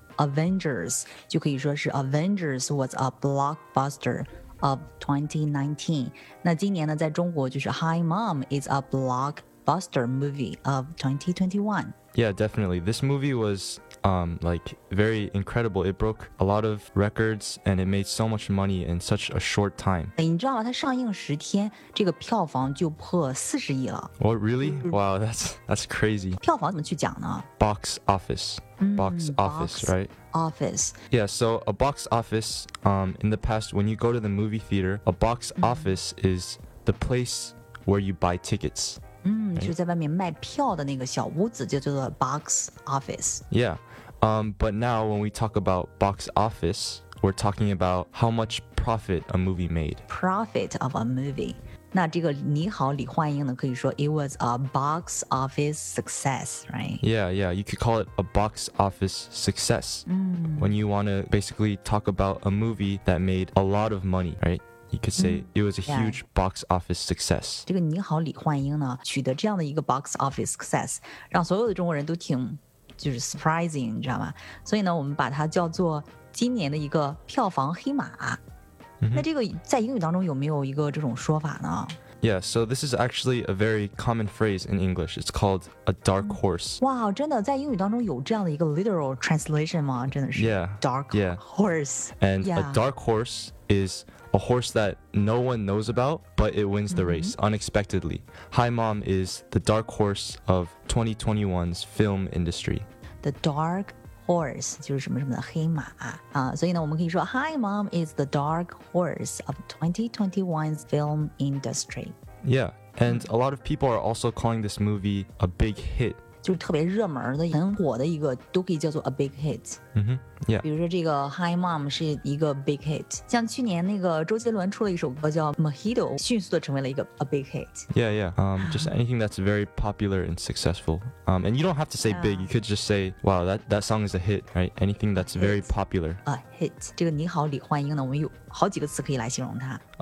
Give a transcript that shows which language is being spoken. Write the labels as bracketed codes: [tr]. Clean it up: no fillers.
[en] Avengers, [zh] 就可以说是 [en] Avengers was a blockbuster of 2019. [zh] 那今年呢在中国就是 [en] Hi Mom is a blockbuster movie of 2021. Yeah, definitely. This movie was、like very incredible. It broke a lot of records and it made so much money in such a short time. [zh] 你知道吗它上映十天这个票房就破四十亿了。 [en] What, really? Wow, that's crazy. [zh] 票房怎么去讲呢 [en] Box office. Box office, box right? Office. Yeah, so a box office, in the past, when you go to the movie theater, a box、office is the place where you buy tickets. [zh] 就在外面卖票的那个小屋子就叫做 box office. [en] Yeah, but now when we talk about box office, we're talking about how much profit a movie made. Profit of a movie. [zh] 那这个你好李焕英呢可以说 [en] It was a box office success, [zh] right? [en] Yeah, yeah, you could call it a box office success、When you want to basically talk about a movie that made a lot of money, right? You could say、it was a huge、box office success [zh] 这个你好李焕英呢取得这样的一个 box office success 让所有的中国人都挺就是 surprising, 你知道吗所以呢我们把它叫做今年的一个票房黑马那这个在英语当中有没有一个这种说法呢 [en] Yeah, so this is actually a very common phrase in English. It's called a dark horse. [zh] Wow, 真的在英语当中有这样的一个 literal translation 吗真的是 [en] Yeah, dark yeah. horse. And、a dark horse is a horse that no one knows about, but it wins the race unexpectedly. Hi Mom is the dark horse of 2021's film industry. The dark horse. [zh] Horse 就是什么什么的黑马啊、所以呢我们可以说 [en] Hi Mom is the dark horse of 2021's film industry Yeah, and a lot of people are also calling this movie a big hit [zh] 就是特别热门的很火的一个都可以叫做 [en] a big hit、 Yeah. [zh] 比如说这个 Hi Mom 是一个 big hit 像去年那个周杰伦出了一首歌叫 Mojito 迅速的成为了一个 a big hit [en] Yeah, yeah,、just anything that's very popular and successful、And you don't have to say、big, you could just say Wow, that song is a hit, right? Anything that's very popular [zh] A hit 这个你好李焕英呢我们有好几个词可以来形容它、